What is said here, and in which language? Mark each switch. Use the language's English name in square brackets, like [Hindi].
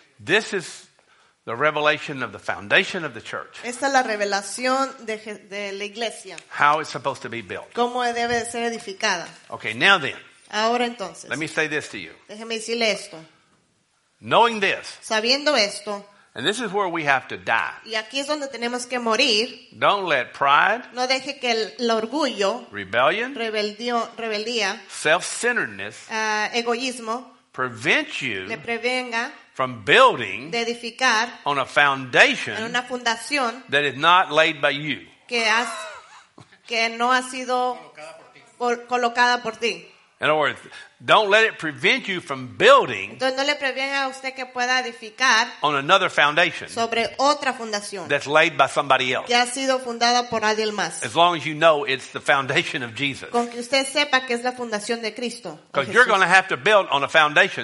[English] This is the revelation of the foundation of the church. [Spanish] Esta es la revelación de la iglesia. [English] How it's supposed to be built. [Spanish] ¿Cómo debe de ser edificada? [English] Okay, now then. [Spanish] Ahora entonces. [English] Let me say this to you. [Spanish] Déjeme decirle esto. [English] Knowing this. [Spanish] Sabiendo esto. [English] And this is where we have to die. [Spanish] Y aquí es donde tenemos que morir. [English] Don't let pride. [Spanish] No deje que el orgullo. [English] Rebellion. [Spanish] Rebeldía. [English] Self-centeredness. [Spanish] Egoísmo. [English] Prevent you. [Spanish] Le prevenga. [English] From building. [Spanish] De edificar. [English] On a foundation. [Spanish] En una fundación. [English] That is not laid by you. [Spanish] Que no ha sido colocada por ti. [English] In other words, don't let it prevent you from building. [Spanish] Entonces, no le prevenga a usted que pueda edificar [English] on another foundation [Spanish] sobre otra fundación [English] that's laid by somebody else. [Spanish] Que ha sido fundada por alguien más. [English] As long as you know it's the foundation of Jesus. [Spanish] Con que usted sepa que es la fundación de Cristo. [English] Because you're going to have to build on a foundation